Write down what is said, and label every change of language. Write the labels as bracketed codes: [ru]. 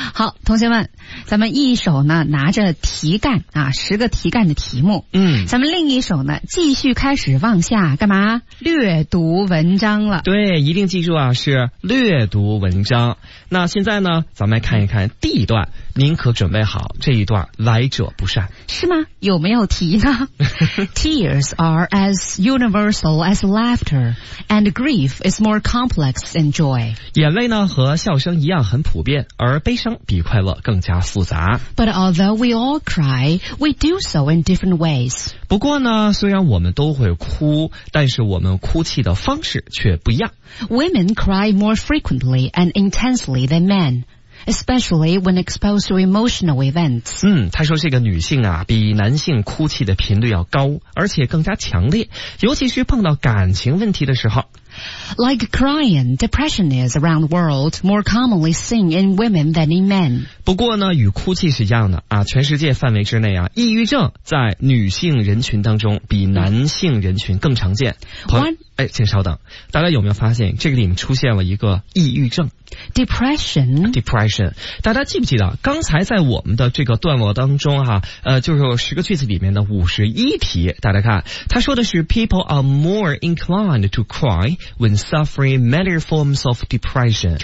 [zh] 好，同学们，咱们一手呢拿着题干啊，十个题干的题目，咱们另一手呢继续开始往下干嘛？略读文章了。对，一定记住啊，是略读文章。那现在呢咱们来看一看 D 段，您可准备好这一段来者不善是吗？有没有题呢？ [en] Tears are as universal as laughter, and grief is more complex than joy. [zh] 眼泪呢和笑声一样很普遍，而悲伤比快乐更加复杂。 [en] But although we all cry, we do so in different ways. [zh] 不过呢，虽然我们都会哭，但是我们哭泣的方式却不一样。 [en] Women cry more frequently and intensely than men. Especially when exposed to emotional events. [zh] 他说这个女性啊比男性哭泣的频率要高，而且更加强烈，尤其是碰到感情问题的时候。 [en] Like crying, depression is around the world more commonly seen in women than in men. [zh] 不过呢与哭泣是一样的啊，全世界范围之内啊，抑郁症在女性人群当中比男性人群更常见。请稍等，大家有没有发现这个里面出现了一个抑郁症 [en] Depression [zh] 大家记不记得刚才在我们的这个段落当中就是十个句子里面的51题，大家看他说的是 [en] People are more inclined to cry when suffering many forms of depression，